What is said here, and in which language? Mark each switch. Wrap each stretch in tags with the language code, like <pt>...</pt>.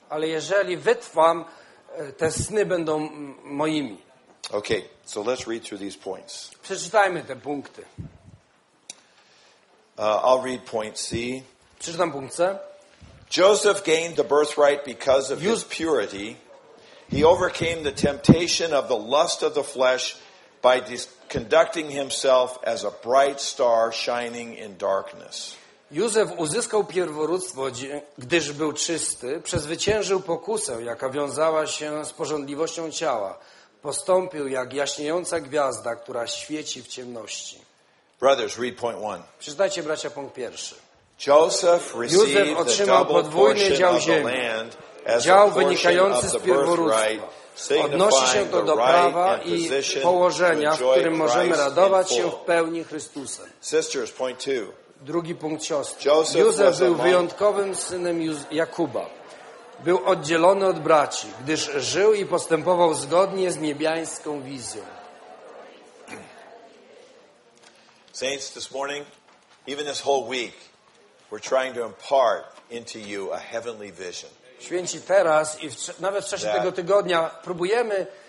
<pl>Ale jeżeli wytrwam, te sny będą moimi.</pl> <en>Okay, so let's read through these points.</en> <pl>Przeczytajmy te punkty.</pl> <en>I'll read point C.</en> <pl>Przeczytam punkt C.</pl> <en>Joseph gained the birthright because of his purity. He overcame the temptation of the lust of the flesh by conducting himself as a bright star shining in darkness.</en> <pl>Józef uzyskał pierworództwo, gdyż był czysty, przezwyciężył pokusę, jaka wiązała się z pożądliwością ciała. Postąpił jak jaśniejąca gwiazda, która świeci w ciemności.</pl> <en>Brothers, read point one.</en> <pl>Przeczytajcie, bracia, punkt pierwszy.</pl> <en>Joseph received the double</en> <pl>dział</pl> <en>portion of the land as a portion of the birthright,</en> <pl>odnosi się to do prawa i położenia, w którym możemy radować się w pełni Chrystusem.</pl> <en>Sisters, point two.</en> <pl>Drugi punkt, siostry. Józef był wyjątkowym synem Jakuba. Był oddzielony od braci, gdyż żył i postępował zgodnie z niebiańską wizją.</pl> <en>Saints, this morning, even this whole week, we're trying to impart into you a heavenly vision.</en> <pl>Święci, teraz i nawet w czasie tego tygodnia próbujemy</pl>